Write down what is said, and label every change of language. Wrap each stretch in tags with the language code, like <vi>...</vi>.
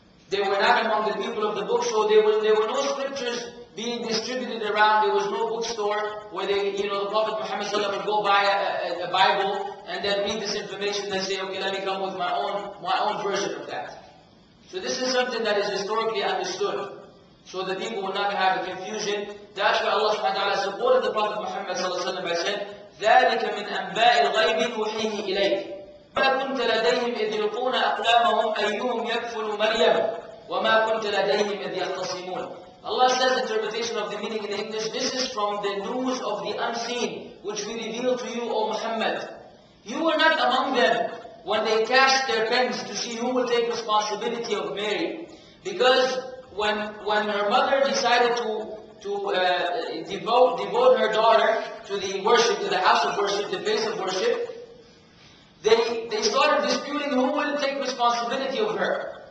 <en>They were not among the people of the book, so there were no scriptures being distributed around. There was no bookstore where the Prophet Muhammad sallallahu alaihi wasallam would go buy a Bible and then read this information and say, okay, let me come with my own version of that. So this is something that is historically understood. So the people would not have a confusion. That's why Allah subhanahu wa ta'ala supported the Prophet Muhammad sallallahu alaihi wasallam by saying,</en> <ar>ذلك من أنباء الغيب نوحيه إليك ما كنت لديهم إذ يلقون أقلامهم أيهم يكفل مريم وما كنت لديهم إذ يختصمون.</ar> <en>Allah says, interpretation of the meaning in English, this is from the news of the unseen which we reveal to you, O Muhammad. You were not among them when they cast their pens to see who will take responsibility of Mary. Because when her mother decided to devote her daughter to the worship, to the house of worship, the place of worship, they started disputing who will take responsibility of her.</en>